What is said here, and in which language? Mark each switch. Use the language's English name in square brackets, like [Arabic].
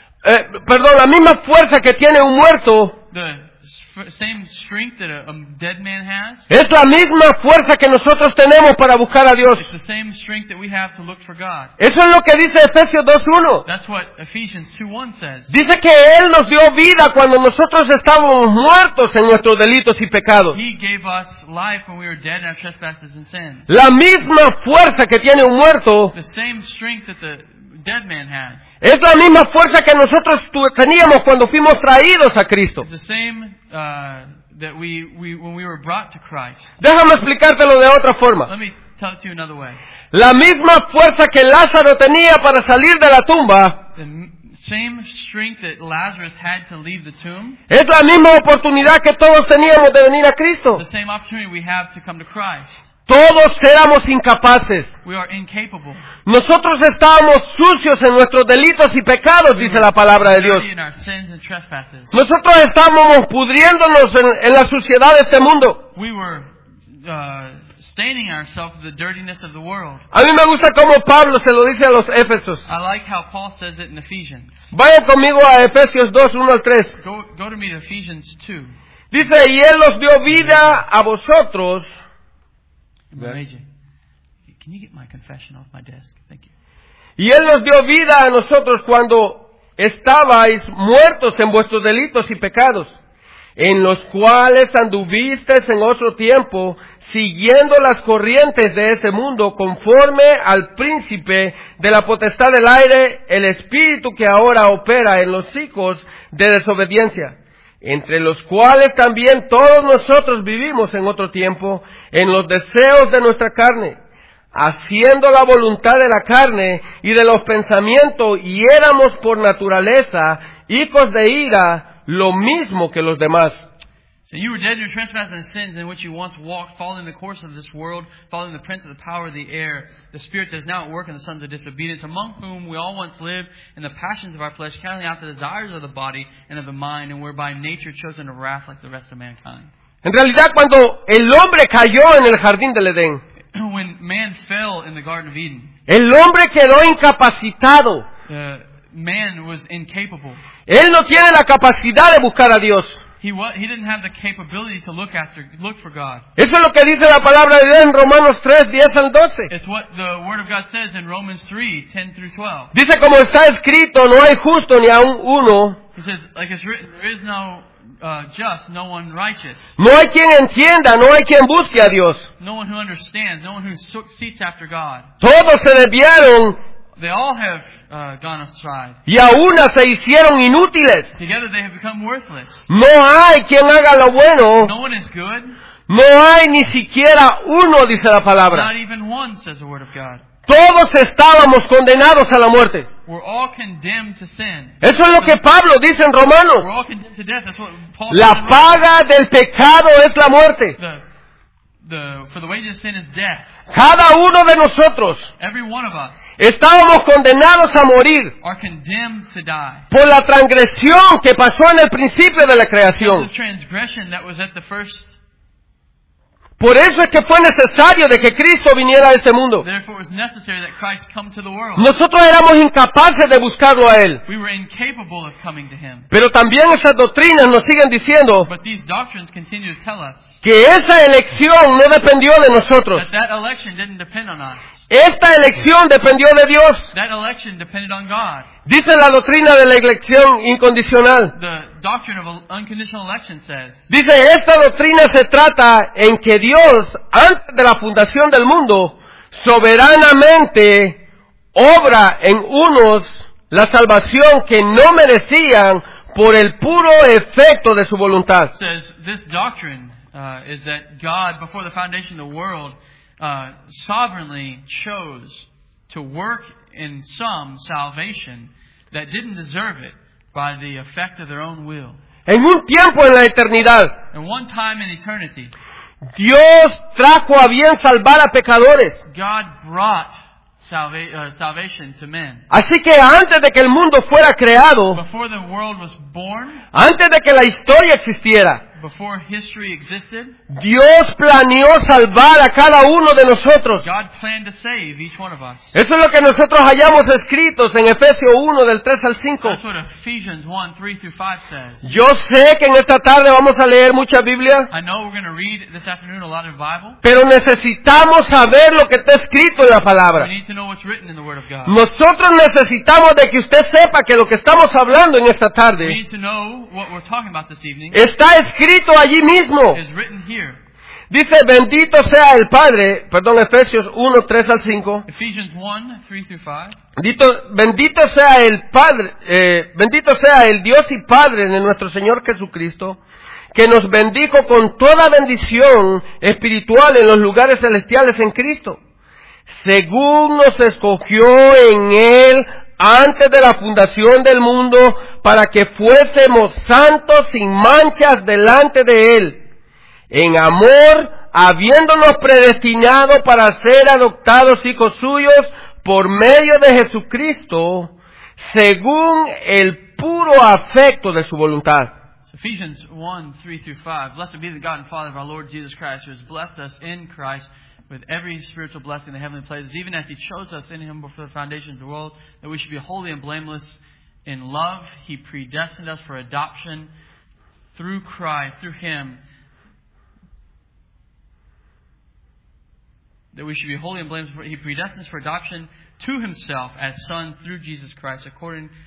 [Spanish] Perdón, la misma fuerza que tiene un muerto, [English] the same strength that a dead man has, [Spanish] es la misma fuerza que nosotros tenemos para buscar a Dios. [English] It's the same strength that we have to look for God. [Spanish] Eso es lo que dice Efesios 2:1. [English] That's what Ephesians 2:1 says. [Spanish] Dice que Él nos dio vida cuando nosotros estábamos muertos en nuestros delitos y pecados. [English] He gave us life when we were dead in our trespasses and sins. [Spanish] La misma fuerza que tiene un muerto, [English] the same strength that the dead man has. [Spanish] Es la misma fuerza que nosotros teníamos cuando fuimos traídos a Cristo. [English] The same, that when we were brought to Christ. [Spanish] Déjame explicártelo de otra forma. [English] Let me tell it to you another way. [Spanish] La misma fuerza que Lázaro tenía para salir de la tumba. [English] The same strength that Lazarus had to leave the tomb. [Spanish] Es la misma oportunidad que todos teníamos de venir a Cristo. [English] The same opportunity we have to come to Christ. [Spanish] Todos éramos incapaces. [English] We are incapable. [Spanish] Nosotros estábamos sucios en nuestros delitos y pecados, [English] we [Spanish] dice la palabra de Dios. [English] In our sins and trespasses. [Spanish] Nosotros estábamos pudriéndonos en la suciedad de este mundo. [English] We were, staining ourselves with the dirtiness of the world. [Spanish] A mí me gusta cómo Pablo se lo dice a los Éfesos. [English] I like how Paul says it in Ephesians. [Spanish] Vaya conmigo a Efesios 2:1-3. [English] Go to me to Ephesians 2. [Spanish] Dice, y Él nos dio vida a vosotros. [English] Amazing. Can you get my confession off my desk? Thank you. [Spanish] Y Él nos dio vida a nosotros cuando estabais muertos en vuestros delitos y pecados, en los cuales anduviste en otro tiempo, siguiendo las corrientes de este mundo, conforme al príncipe de la potestad del aire, el espíritu que ahora opera en los hijos de desobediencia, entre los cuales también todos nosotros vivimos en otro tiempo, en los deseos de nuestra carne, haciendo la voluntad de la carne y de los pensamientos, y éramos por naturaleza hijos de ira, lo mismo que los demás. [English] So you were dead in your trespasses and sins in which you once walked, following the course of this world, following the prince of the power of the air, the spirit that is now at work in the sons of disobedience, among whom we all once lived in the passions of our flesh, carrying out the desires of the body and of the mind, and were by nature chosen to wrath like the rest of mankind. [Spanish] En realidad, cuando el hombre cayó en el jardín del Edén, [English] when man fell in the Garden of Eden, [Spanish] el hombre quedó incapacitado. [English] Man was incapable. [Spanish] Él no tiene la capacidad de buscar a Dios. [English] He didn't have the capability to look for God. [Spanish] Eso es lo que dice la palabra de Dios en Romanos 3, 10 al 12. [English] It's what the Word of God says in Romans 3, 10 through 12. [Spanish] Dice, como está escrito, no hay justo ni aun uno. [English] He says, like it's written, there is no just, no one righteous. [Spanish] No hay quien entienda, no hay quien busque a Dios. [English] No one who understands, no one who seeks after God. [Spanish] Todos se desviaron. [English] They all have gone astray. [Spanish] Y a una se hicieron inútiles. [English] Together they have become worthless. [Spanish] No hay quien haga lo bueno. [English] No one is good. [Spanish] No hay ni siquiera uno, dice la palabra. [English] Not even one, says the word of God. [Spanish] Todos estábamos condenados a la muerte. [English] We're all condemned to sin. [Spanish] Eso es lo que Pablo dice en Romanos. [English] We're all condemned to death. That's what Paul. [Spanish] La paga del pecado es la muerte. [English] For the wages of sin is death. [Spanish] Cada uno de nosotros, [English] every one of us, [Spanish] estábamos condenados a morir, [English] are condemned to die, [Spanish] por la transgresión que pasó en el principio de la creación. [English] The transgression that was at the first. [Spanish] Por eso es que fue necesario de que Cristo viniera a este mundo. [English] Therefore, it was necessary that Christ come to the world. [Spanish] Nosotros éramos incapaces de buscarlo a Él. [English] We were incapable of coming to Him. [Spanish] Pero también esas doctrinas nos siguen diciendo, [English] but these doctrines continue to tell us, [Spanish] que esa elección no dependió de nosotros. [English] That election didn't depend on us. [Spanish] Esta elección dependió de Dios. [English] That election depended on God. [Spanish] Dice la doctrina de la elección incondicional. [English] The doctrine of unconditional election says, [Spanish] dice, esta doctrina se trata en que Dios, antes de la fundación del mundo, soberanamente obra en unos la salvación que no merecían por el puro efecto de su voluntad. [English] Says, this doctrine is that God, before the foundation of the world, sovereignly chose to work in some salvation that didn't deserve it by the effect of their own will. [Spanish] En un tiempo en la eternidad, [English] and one time in eternity, [Spanish] Dios trajo a bien salvar a pecadores. [English] God brought salvation to men. [Spanish] Así que antes de que el mundo fuera creado, [English] before the world was born, [Spanish] antes de que la historia existiera, [English] before history existed, [Spanish] Dios planeó salvar a cada uno de nosotros. [English] God planned to save each one of us. [Spanish] Eso es lo que nosotros hayamos escrito en Efesios 1, del 3 al 5. [English] That's what Ephesians 1, 3 through 5 says. [Spanish] Yo sé que en esta tarde vamos a leer mucha Biblia. [English] I know we're going to read this afternoon a lot of Bible. [Spanish] Pero necesitamos saber lo que está escrito en la palabra. [English] We need to know what's written in the Word of God. [Spanish] Nosotros necesitamos de que usted sepa que lo que estamos hablando en esta tarde, [English] we need to know what we're talking about this evening, [Spanish] está escrito. Escrito allí mismo. Dice, bendito sea el Padre. Perdón, Efesios 1, 3 al 5. [English] Ephesians 1, 3 through 5. [Spanish] Bendito sea el Padre. Bendito sea el Dios y Padre de nuestro Señor Jesucristo, que nos bendijo con toda bendición espiritual en los lugares celestiales en Cristo, según nos escogió en Él antes de la fundación del mundo, para que fuésemos santos sin manchas delante de Él, en amor, habiéndonos predestinado para ser adoptados hijos suyos por medio de Jesucristo, según el puro afecto de su voluntad. [English] Ephesians 1, 3 through 5. Blessed be the God and Father of our Lord Jesus Christ, who has blessed us in Christ with every spiritual blessing in the heavenly places, even as He chose us in Him before the foundation of the world, that we should be holy and blameless in love. He predestined us for adoption through Christ, through Him, that we should be holy and blameless. He predestined us for adoption to Himself as sons through Jesus Christ, according